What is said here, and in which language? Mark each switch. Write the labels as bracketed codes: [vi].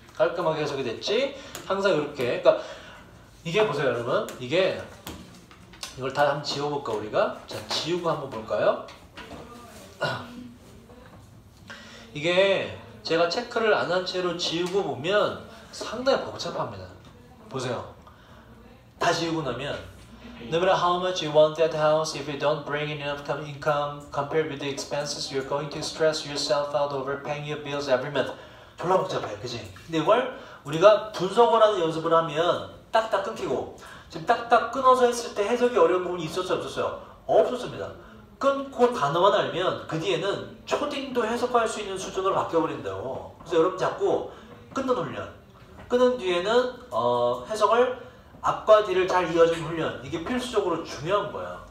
[ko] 깔끔하게 해석이 됐지? 항상 이렇게. 그러니까 이게 보세요 여러분, 이게 이걸 다 한번 지워볼까 우리가? 자 지우고 한번 볼까요? 이게 제가 체크를 안 한 채로 지우고 보면 상당히 복잡합니다. 보세요. 다 지우고 나면 [en] No matter how much you want that house, if you don't bring in enough income compared with the expenses, you're going to stress yourself out over paying your bills every month. [ko] 졸라 복잡해요, 그치? 근데 이걸 우리가 분석을 하는 연습을 하면 딱딱 끊기고 지금 딱딱 끊어서 했을 때 해석이 어려운 부분이 있었어요, 없었어요? 없었습니다. 끊고 단어만 알면 그 뒤에는 초딩도 해석할 수 있는 수준으로 바뀌어버린다고. 그래서 여러분 자꾸 끊는 훈련, 끊은 뒤에는 해석을 앞과 뒤를 잘 이어주는 훈련, 이게 필수적으로 중요한 거야.